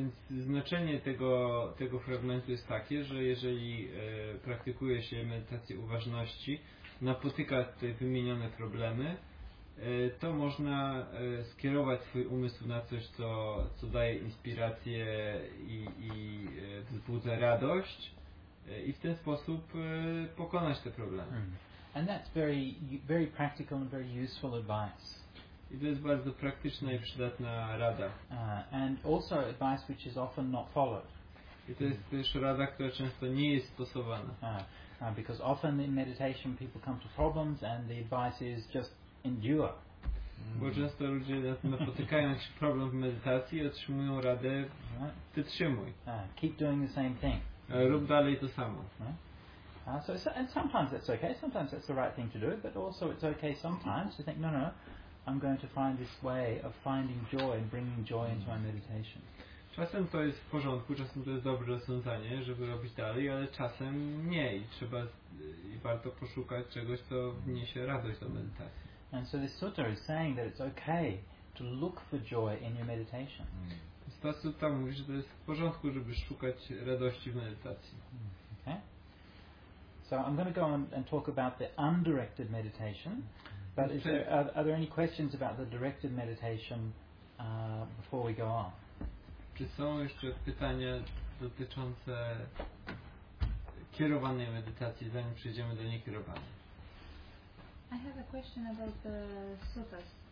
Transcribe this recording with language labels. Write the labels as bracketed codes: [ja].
[pl] Znaczenie tego fragmentu jest takie, że jeżeli praktykuje się medytację uważności, napotyka te wymienione problemy, to można skierować swój umysł na coś, co daje inspirację i wzbudza radość i w ten sposób pokonać te problemy. [en] And that's very, very practical and very useful advice. [pl] I to jest bardzo praktyczna i przydatna rada. [en] And also advice which is often not followed. [pl] I to jest też rada, która często nie jest stosowana. [en] Because often in meditation people come to problems and the advice is just endure. [pl] Bo często ludzie napotykają jakiś problem w medytacji i otrzymują radę, wytrzymuj. [en] Keep doing the same thing. [pl] Rób dalej to samo. [en] And sometimes that's okay, sometimes that's the right thing to do, but also it's okay sometimes to think, no, I'm going to find this way of finding joy and bringing joy into my meditation. [pl] Czasem to jest w porządku, czasem to jest dobre rozwiązanie, żeby robić dalej, ale czasem nie i trzeba i warto poszukać czegoś, co wniesie radość do medytacji. [en] And so this sutta is saying that it's okay to look for joy in your meditation. [pl] Ta sutta mówi, że to jest w porządku, żeby szukać radości w medytacji. [en] Okay. So I'm going to go on and talk about the undirected meditation. But are there any questions about the directed meditation before we go on? [pl] Czy są jeszcze pytania dotyczące kierowanej medytacji, zanim przejdziemy do niekierowanej? [en] I have a question about the suttas.